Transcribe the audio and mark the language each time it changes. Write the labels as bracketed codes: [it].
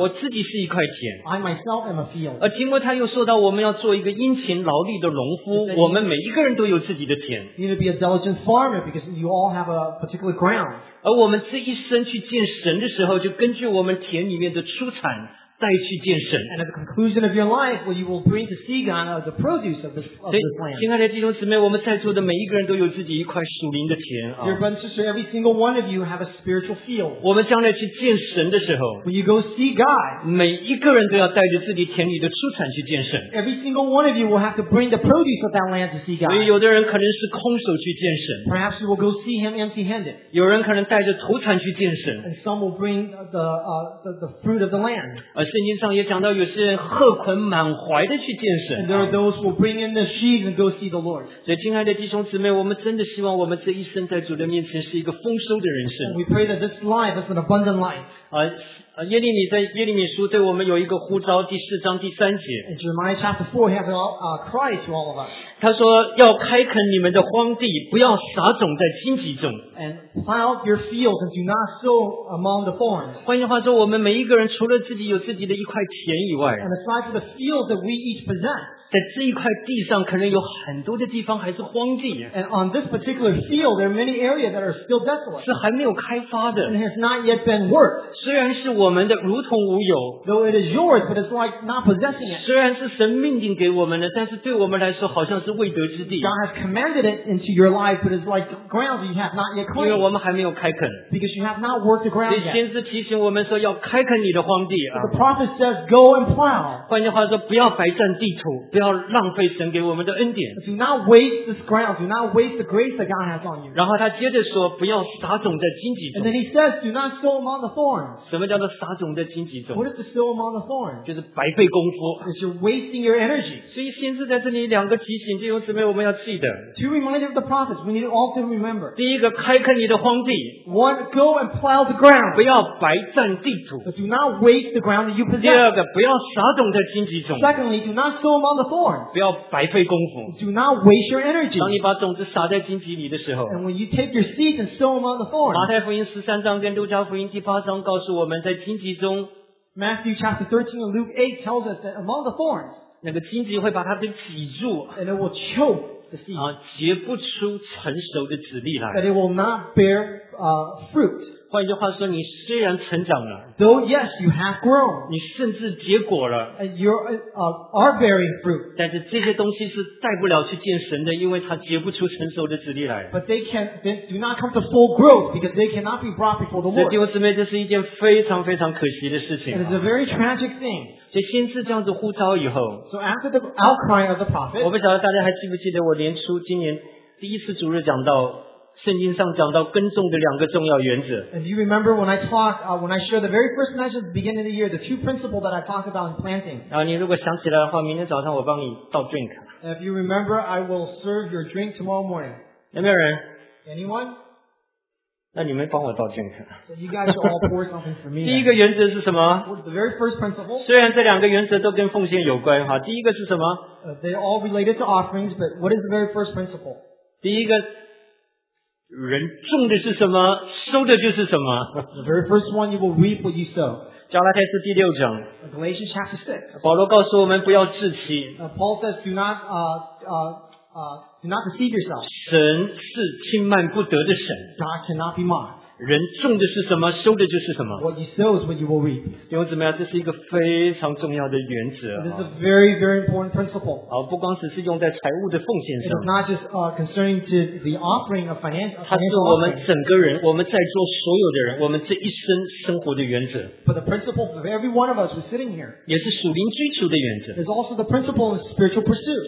[zh] 我自己是一块田。 [en] I myself am a field. [zh] 而提摩太又说到我们要做一个殷勤劳力的农夫, 我们每一个人都有自己的田。 [en] You need to be a diligent farmer because you all have a particular ground. [zh] 而我们这一生去见神的时候, 就根据我们田里面的出产, 带去见神。 [en] And at the conclusion of your life, when you will bring to see God the produce of this land. [zh] 亲爱的弟兄姊妹，我们在座的每一个人都有自己一块属灵的田。 [en] Dear brothers and sisters, every single one of you have a spiritual field. [zh] 我们将来去见神的时候， [en] when you go see God, [zh] 每一个人都要带着自己田里的出产去见神。 [en] Every single one of you will have to bring the produce of that land to see God. [zh] 所以有的人可能是空手去见神。 [en] Perhaps you will go see him empty-handed. [zh] 有人可能带着土产去见神。 [en] And some will bring the fruit of the land. [zh] 圣经上也讲到有些人荷捆满怀的去见神。 [en] And there are those who bring in the sheaves and go see the Lord. [zh] 所以亲爱的弟兄姊妹，我们真的希望我们这一生在主的面前是一个丰收的人生。 [en] And we pray that this life is an abundant life. [zh] 耶利米在耶利米书对我们有一个呼召，第四章第三节。 [en] In Jeremiah chapter 4, he has a cry to all of us. [zh] 他说要开垦你们的荒地，不要撒种在荆棘中。 [en] And plow your fields and do not sow among the thorns. [zh] 换句话说，我们每一个人除了自己有自己的一块田以外， [en] And aside from the fields that we each possess. [zh] 在这一块地上可能有很多的地方还是荒地。 [en] And on this particular field, there are many areas that are still desolate. [zh] 是还没有开发的。 [en] And has not yet been worked. [zh] 虽然是我们的如同无有。 [en] Though it is yours, but it's like not possessing it. [zh] 虽然是神命定给我们的，但是对我们来说好像是未得之地。 [en] God has commanded it into your life, but it's like ground you have not yet claimed. [zh] 因为我们还没有开垦。 [en] Because you have not worked the ground yet. [zh] 所以先知提醒我们说要开垦你的荒地。 [en] The prophet says, go and plow. [zh] 换句话说，不要白占地图，不要要浪费神给我们的恩典。 [en] Do not waste this ground. Do not waste the grace that God has on you. [zh] 然后他接着说，不要撒种在荆棘中。 [en] And then he says, do not sow among the thorns. [zh] 什么叫做撒种在荆棘中？ [en] What is to sow among the thorns? [zh] 就是白费功夫。 [en] It's you're wasting your energy. [zh] 所以先知在这里两个提醒弟兄姊妹，我们要记得。 [en] Two reminders of the prophets. We need all to remember. [zh] 第一个，开垦你的荒地。 [en] One, go and plow the ground. [zh] 不要白占地土。 [en] But do not waste the ground that you possess. [zh] 第二个，不要撒种在荆棘中。 [en] Secondly, do not sow among the thorns. [zh] 不要白费功夫。 [en] Do not waste your energy. [zh] 当你把种子撒在荆棘里的时候。 [en] And when you take your seeds and sow them on the thorns. [zh] 马太福音十三章跟路加福音第八章告诉我们，在荆棘中。 [en] Matthew chapter 13 and Luke 8 tells us that among the thorns. [zh] 那个荆棘会把它给挤住。 [en] And it will choke the seed. [zh] 结不出成熟的籽粒来。 [en] That it will not bear fruit. [zh] 换句话说，你虽然成长了 [en] ，though yes you have grown， [zh] 你甚至结果了 [en] ，and you are bearing fruit， [zh] 但是这些东西是带不了去见神的，因为它结不出成熟的籽粒来。 [en] But they do not come to full growth because they cannot be brought before the Lord。 [zh] 所以弟兄姊妹，这是一件非常非常可惜的事情。 [en] And it's a very tragic thing。 [zh] 所以先知这样子呼召以后 [en] ，so after the outcry of the prophet， [zh] 我不晓得大家还记不记得我年初今年第一次主日讲到。圣经上讲到耕种的两个重要原则。 [en] And you remember when I talk, when I share the very first message at the beginning of the year, the two principles that I talked about in planting. [zh] 你如果想起来的话，明天早上我帮你倒 drink. [en] If you remember, I will serve your drink tomorrow morning. [zh] 有没有人 [en] ？Anyone? [zh] 那你们帮我倒 drink. [en] So you guys should all pour something for me. [zh] 第一个原则是什么 [en] ？The very first principle. [zh] 虽然这两个原则都跟奉献有关哈，第一个是什么 [en] ？They all related to offerings, but what is the very first principle? [zh] 第一个。人种的是什么，收的就是什么。 [en] The very first one, you will reap what you sow. [zh] 加拉太书第六章。 [en] Galatians chapter 6. [zh] 保罗告诉我们不要自欺。 [en] Paul says, do not deceive yourself. [zh] 神是轻慢不得的神。 [en] God cannot be mocked. [zh] 人种的是什么，收的就是什么。 [en] What you sow is what you will reap. [zh] 弟兄姊妹，这是一个非常重要的原则。 [en] This is a very, very important principle. [zh] 不光只是用在财务的奉献上。 [en] It's not just concerning to the offering of financial offering. [zh] 它是我们整个人，我们在座所有的人，我们这一生生活的原则。 [en] But the principle of every one of us who's sitting here. [zh] 也是属灵追求的原则。 [en] It's also the principle of spiritual pursuit.